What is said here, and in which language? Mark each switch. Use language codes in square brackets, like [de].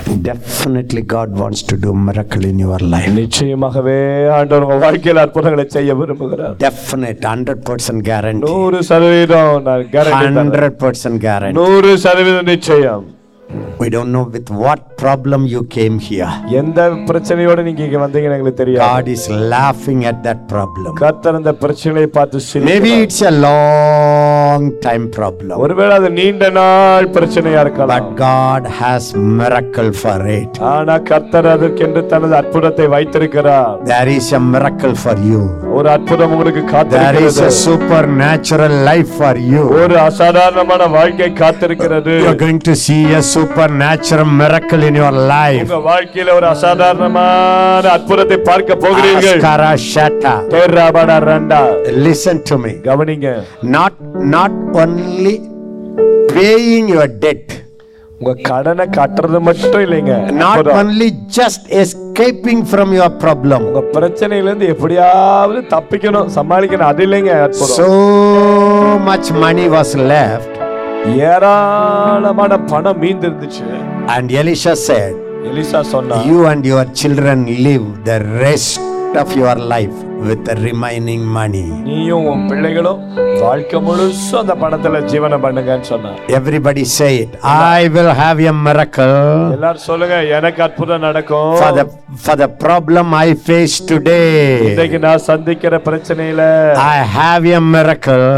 [en] Definitely God wants to do miracle in your life. [ta] நிச்சயமாகவே ஆண்டவர் உங்கள் வாழ்க்கையில் அற்புதங்களை செய்ய விரும்புகிறார். [en] Definite 100% guarantee. 100% [ta] guarantee. 100% நிச்சயம். [en] We don't know with what problem you came here. [ta] எந்த பிரச்சனையோடு நீங்க இங்க வந்தீங்க எங்களுக்கு தெரியாது. [en] God is laughing at that problem. [ta] கர்த்தர் அந்த பிரச்சனையை பார்த்து சிரிக்கிறார். [en] Maybe it's a long time problem. [ta] ஒருவேளை அது நீண்ட நாள் பிரச்சனையா இருக்கலாம். [en] But God has miracle for it. [ta] ஆனா கர்த்தர் அதற்கென்று தனது அற்புதத்தை வைத்திருக்கிறார். [en] There is a miracle for you. [ta] ஒரு அற்புதம் உங்களுக்கு காத்திருக்கிறது. [en] There is a supernatural life for you. [ta] ஒரு அசாதாரணமான வாழ்க்கை காத்திருக்கிறது. [en] You are going to see a supernatural miracle in your life. [ta] உங்க வாழ்க்கையில ஒரு அசாதாரணமான அற்புதத்தை பார்க்க போகிறீர்கள். Karashata. Terra bada randa. [en] Listen to me. [ta] கவனிங்க. [en] Not only paying your debt. [ta] உங்க கடனை கட்டறது மட்டும் இல்லங்க. [en] Not only just escaping from your problem. [ta] உங்க பிரச்சனையில இருந்து எப்படியாவது தப்பிக்கணும், சமாளிக்கணும், அது இல்லங்க அற்புதம். [en] So much money was left. [ta] ஏராளமான பணம் மீந்து இருந்துச்சு. [en] And Elisha said, [ta] Elisha சொன்னார், [en] you and your children live the rest of your life with the remaining money. [ta] நீயும் உன் பிள்ளைகளும் வாழ்க்கை முழுசும் அந்த பணத்துல ஜீவனம் பண்ணுங்கன்னு சொன்னார். [en] Everybody say it, I will have a miracle. [ta] எல்லாரும் சொல்லுங்க, எனக்கு அற்புதம் நடக்கும். [en] For the problem I face today, [ta] இன்னைக்கு நான் சந்திக்கிற பிரச்சனையில, [en] I have a miracle.